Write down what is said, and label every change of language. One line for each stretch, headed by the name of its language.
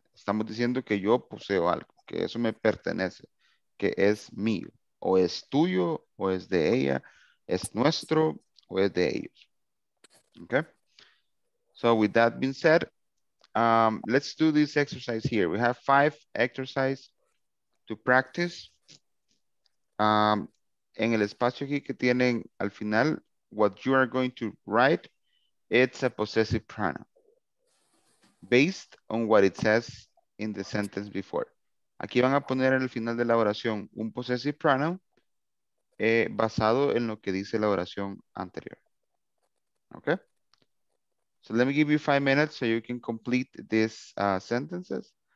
Spanish: Estamos diciendo que yo poseo algo, que eso me pertenece, que es mío, o es tuyo, o es de ella, es nuestro, o es de ellos.
English: Okay? So with that being said, let's do this exercise here. We have 5 exercises to practice.
Spanish: En el espacio aquí que tienen al final,
English: what you are going to write, it's a possessive pronoun based on what it says in the sentence before.
Spanish: Aquí van a poner en el final de la oración un possessive pronoun basado en lo que dice la oración anterior.
English: Okay? So let me give you 5 minutes so you can complete these sentences.